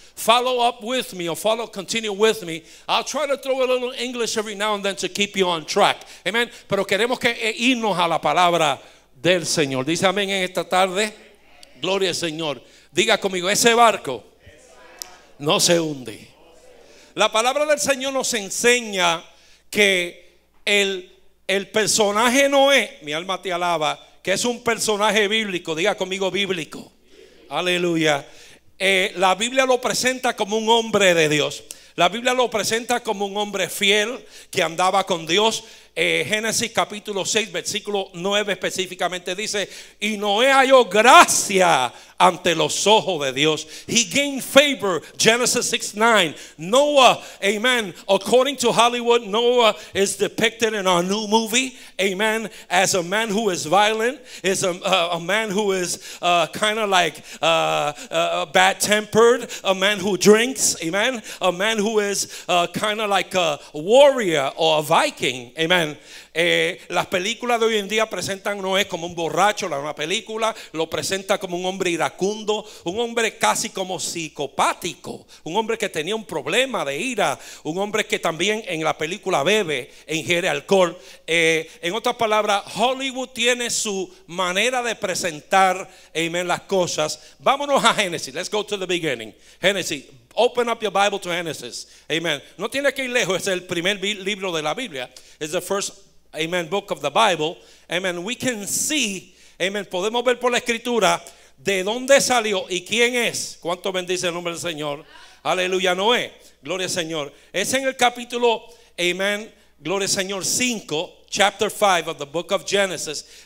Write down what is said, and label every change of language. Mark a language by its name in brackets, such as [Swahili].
[English] Follow up with me, or follow, continue with me. I'll try to throw a little English every now and then to keep you on track. Amen. [Spanish] Pero queremos que irnos a la palabra del Señor. Dice amén en esta tarde. Gloria al Señor. Diga conmigo, ese barco no se hunde. La palabra del Señor nos enseña que el personaje Noé, mi alma te alaba, que es un personaje bíblico, diga conmigo, bíblico. Aleluya. La Biblia lo presenta como un hombre de Dios. La Biblia lo presenta como un hombre fiel que andaba con Dios. Génesis capítulo 6, versículo 9 específicamente dice: y Noé halló gracia ante los ojos de Dios. [English] He gained favor, Genesis 6:9. Noah, amen. According to Hollywood, Noah is depicted in our new movie, amen, as a man who is violent, is a man who is kind of like bad tempered, a man who drinks, amen, a man who is kind of like a warrior or a Viking, amen. [Spanish] Las películas de hoy en día presentan a Noé como un borracho, la misma película lo presenta como un hombre iracundo, un hombre casi como psicopático, un hombre que tenía un problema de ira, un hombre que también en la película bebe e ingiere alcohol. En otras palabras, Hollywood tiene su manera de presentar, amen, las cosas. Vámonos a Génesis. [English] Let's go to the beginning. Génesis. Open up your Bible to Genesis. Amen. [Spanish] No tiene que ir lejos, es el primer libro de la Biblia. [English] It's the first, amen, book of the Bible. Amen. We can see, [Spanish] amen, podemos ver por la escritura de dónde salió y quién es. ¿Cuánto bendice el nombre del Señor? Aleluya, Noé. Gloria al Señor. Es en el capítulo, amen, gloria al Señor, 5, [English] chapter 5 of the book of Genesis.